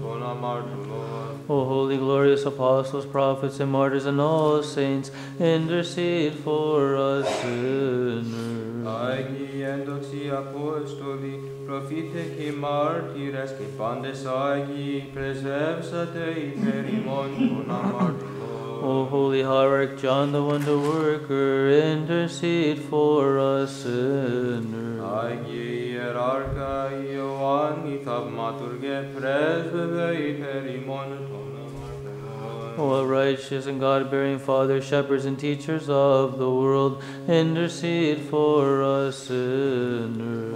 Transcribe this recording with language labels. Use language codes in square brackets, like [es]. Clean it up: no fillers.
[en] O holy, glorious apostles, prophets, and martyrs, and all saints, intercede for us sinners. [el] Άγιοι ένδοξοι Απόστολοι, προφήτες και μάρτυρες και πάντες Άγιοι, πρεσβεύσατε υπέρ ημών των αμαρτωλών. [en] Ο Holy Hierarch John the Wonder Worker, intercede for us sinners. [el] Άγιοι Ιεράρχα Ιωάννη Θαυματουργέ, πρέσβευε υπέρ ημών των [en] O righteous and God-bearing Father, shepherds and teachers of the world, intercede for us sinners.